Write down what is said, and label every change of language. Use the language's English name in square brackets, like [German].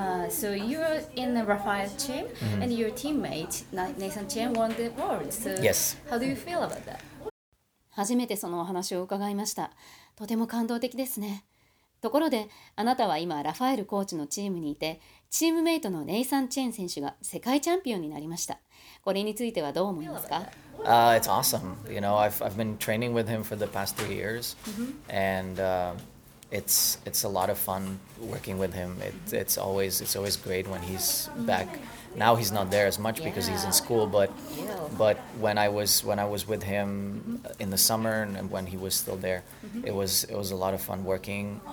[English] So you're in the Rafael team, and your teammate, Nathan Chen, won the world. So how do you feel about that? [Japanese] 初めてそのお話を伺いました。とても感動的ですね。ところで、あなたは今、ラファエルコーチのチームにいて、チームメイトのネイサン・チェン選手が世界チャンピオンになりました。これについてはどう思いますか？ [English] It's awesome. You know, I've been training with him for the past 3 years. Mm-hmm. And it's a lot of fun working with him. It's always great when he's back. Now he's not there as much because he's in school. But when I was with him in the summer and when he was still there, it was a lot of fun working.